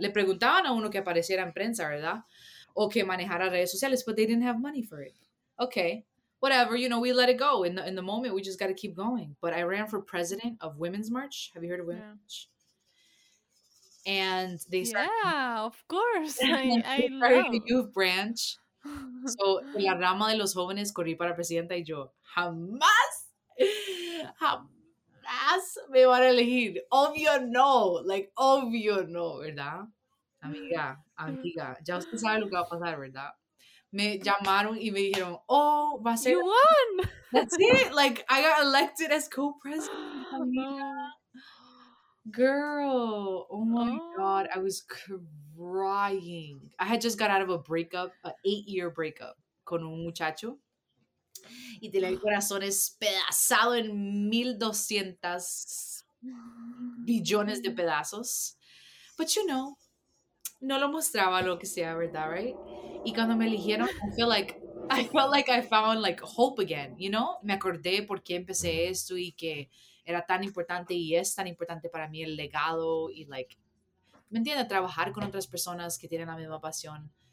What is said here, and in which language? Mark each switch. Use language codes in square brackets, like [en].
[es] Le preguntaban a uno que apareciera en prensa, ¿verdad? O que manejara redes sociales, [en] but they didn't have money for it. Okay, whatever, you know, we let it go. In the moment, we just got to keep going. But I ran for president of Women's March. Have you heard of Women's March? And they started. Yeah, of course. I started love. The youth branch. [es] So, en la rama de los jóvenes, corrí para presidenta y yo, jamás me van a elegir, obvio no, ¿verdad? Amiga, ya usted sabe lo que va a pasar, ¿verdad? Me llamaron y me dijeron, oh, va a ser, [en] you won, that's it, like, I got elected as co-president, amiga, girl, oh my God, I was crazy. crying. I had just got out of a breakup, an 8-year breakup [es] con un muchacho. Y tenía el corazón espedazado en 1,200 billones de pedazos. [en] But you know, [es] no lo mostraba lo que sea, ¿verdad? Right? Y cuando me eligieron, [en] I felt like I found like hope again, you know? [es] Me acordé por qué empecé esto y que era tan importante y es tan importante para mí el legado y like, ¿me entiende? Trabajar con otras personas que tienen la misma pasión.